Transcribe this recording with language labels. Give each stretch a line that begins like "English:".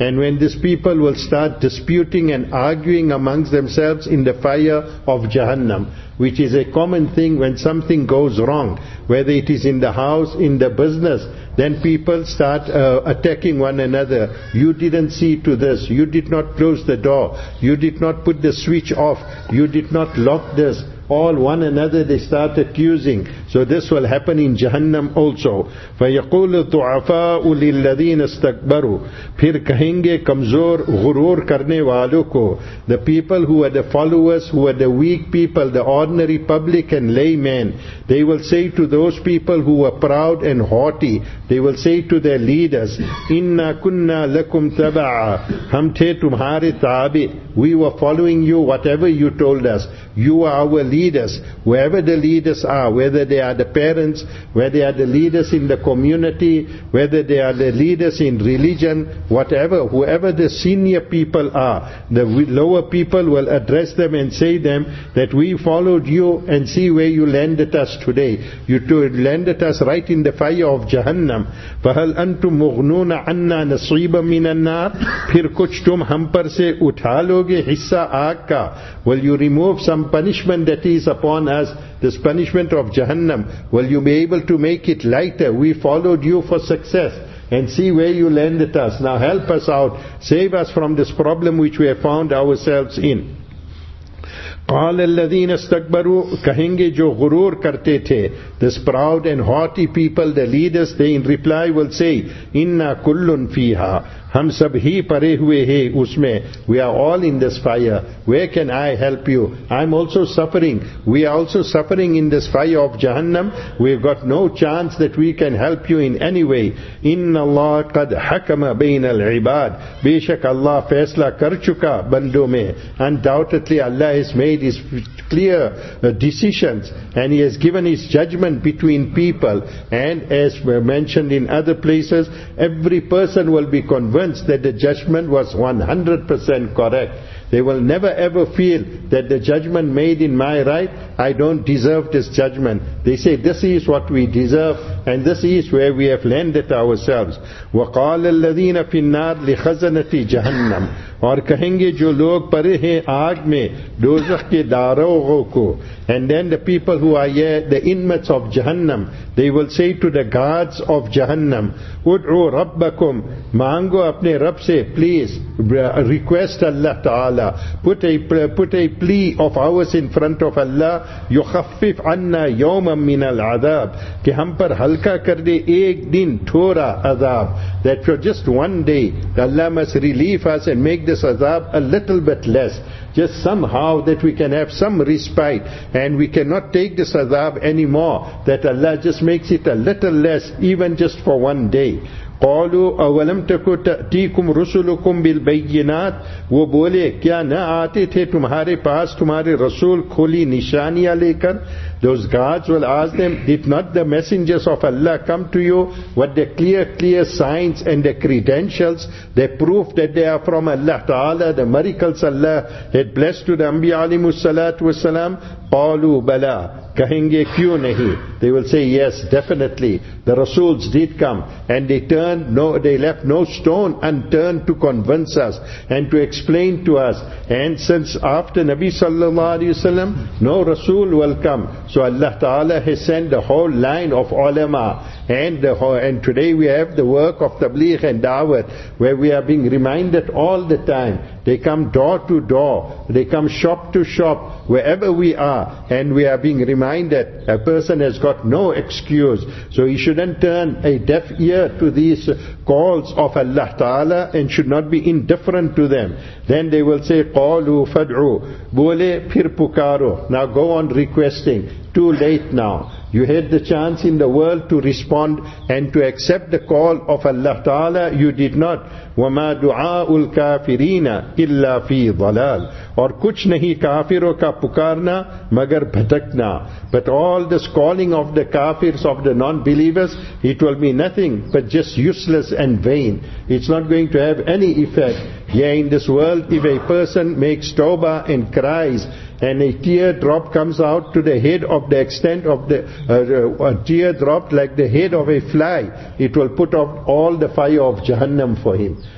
English: And when these people will start disputing and arguing amongst themselves in the fire of Jahannam, which is a common thing when something goes wrong, whether it is in the house, in the business, then people start attacking one another. You didn't see to this. You did not close the door. You did not put the switch off. You did not lock this. All one another they start accusing. So this will happen in Jahannam also.
Arabic: فَيَقُولُ الضُعَفَاءُ لِلَّذِينَ اسْتَكْبَرُوا
Urdu: پھر کہیں گے کمزور غرور کرنے والوں کو.
English: The people who are the followers, who are the weak people, the ordinary public and laymen, they will say to those people who are proud and haughty, they will say to their leaders,
Arabic: إِنَّا كُنَّا لَكُمْ تَبَعًا
Urdu: ہم تھے تمہارے تابع.
English: We were following you, whatever you told us. You are our leaders. Wherever the leaders are, whether they are the parents, whether they are the leaders in the community, whether they are the leaders in religion, whatever, whoever the senior people are, the lower people will address them and say them that we followed you and see where you landed us today. You landed us right in the fire of Jahannam.
Arabic: فَهَلْ أَنْتُمْ مُغْنُونَ عَنَّا نَصِيبًا مِنَ النَّارِ
Urdu: پھر کچھ تم ہم پر سے اٹھا لوگے حصہ آگ کا.
English: Will you remove some punishment that is upon us, this punishment of Jahannam? Will you be able to make it lighter? We followed you for success and see where you landed us. Now help us out, save us from this problem which we have found ourselves in.
Arabic: قال الذين استكبروا
Urdu: کہیں گے جو غرور کرتے تھے.
English: This proud and haughty people, the leaders, they in reply will say,
Arabic: inna kullun fiha,
Urdu: ہم سب ہی پرے ہوئے ہیں اس میں.
English: We are all in this fire. Where can I help you? I'm also suffering. We are also suffering in this fire of Jahannam. We've got no chance that we can help you in any way.
Arabic: إِنَّ اللَّهَ قَدْ حَكَمَ بَيْنَ الْعِبَادِ
Urdu: بے شک اللہ فیصلہ کر چکا بندوں میں.
English: Undoubtedly Allah has made His clear decisions and He has given His judgment between people, and as we mentioned in other places, every person will be convinced that the judgment was 100% correct. They will never ever feel that the judgment made in my right, I don't deserve this judgment. They say this is what we deserve and this is where we have landed ourselves.
Arabic: وَقَالَ الَّذِينَ فِي النَّارِ لِخَزَنَةِ جَهَنَّمْ
Urdu: اور کہیں گے جو لوگ پرے ہیں آگ میں دوزخ کے داروغوں کو.
English: And then the people who are here, the inmates of Jahannam, they will say to the guards of Jahannam,
Arabic: ادعو ربکم
Urdu: مانگو اپنے رب سے.
English: Please request Allah Ta'ala, put a plea of ours in front of Allah.
Arabic: يخفف عنا يوما من العذاب
Urdu: کہ ہم پر ہلکا کر دے ایک دن تھوڑا عذاب.
English: That for just one day Allah must relieve us and make this azab a little bit less, just somehow that we can have some respite and we cannot take this azab anymore, that Allah just makes it a little less, even just for one day.
Arabic: قالوا اولم تكن تأتيكم رسلكم بالبينات
Urdu: وہ بولے کیا نہ آتے تھے تمہارے پاس تمہارے رسول کھلی نشانیاں لے کر.
English: Those guards will ask them, did not the messengers of Allah come to you with the clear signs and the credentials, the proof that they are from Allah Ta'ala, the miracles Allah had blessed to the Anbiya alayhi salatu wasalam?
Arabic: قالوا بلا
Urdu: کہیں گے کیوں نہیں.
English: They will say, yes, definitely, the Rasuls did come and they left no stone unturned to convince us and to explain to us. And since after Nabi sallallahu alayhi wa sallam, no Rasul will come. So Allah Ta'ala has sent the whole line of ulama, and today we have the work of tabligh and da'wah, where we are being reminded all the time. They come door to door, they come shop to shop, wherever we are, and we are being reminded a person has got no excuse. So he shouldn't turn a deaf ear to these calls of Allah Ta'ala and should not be indifferent to them. Then they will say,
Arabic: قَالُوا فَدْعُوا بُولَي
Urdu: پھر پُكَارُوا.
English: Now go on requesting. Too late now. You had the chance in the world to respond and to accept the call of Allah Ta'ala. You did not.
Arabic: وَمَا دُعَاءُ الْكَافِرِينَ إِلَّا فِي ضَلَالٍ
Urdu: اور کچھ نہیں کافروں کا پکارنا مگر بھٹکنا.
English: But all this calling of the kafirs, of the non-believers, it will be nothing but just useless and vain. It's not going to have any effect. Yeah, in this world, if a person makes tawbah and cries, and a teardrop comes out to the head of the extent of the teardrop like the head of a fly, it will put off all the fire of Jahannam for him.